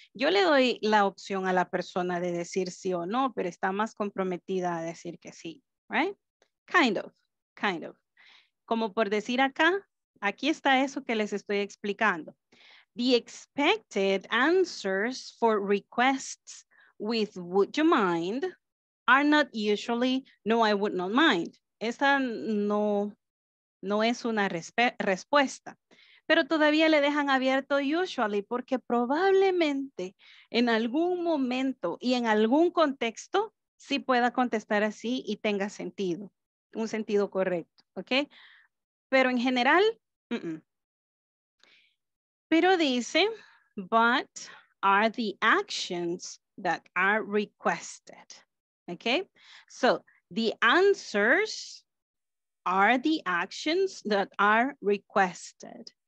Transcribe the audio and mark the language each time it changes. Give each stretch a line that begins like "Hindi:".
Spanish: Yo le doy la opción a la persona de decir sí o no, pero está más comprometida a decir que sí,
English: right? Kind of.
Spanish: Como por decir acá, aquí está eso que les estoy explicando.
English: The expected answers for requests with would you mind are not usually, no, I would not mind.
Spanish: Esta no es una respuesta. Pero todavía le dejan abierto usually porque probablemente en algún momento y en algún contexto sí pueda contestar así y tenga sentido, un sentido correcto, ¿ok? Pero en general, Pero dice,
English: but are the actions that are requested, okay? So the answers are the actions that are requested.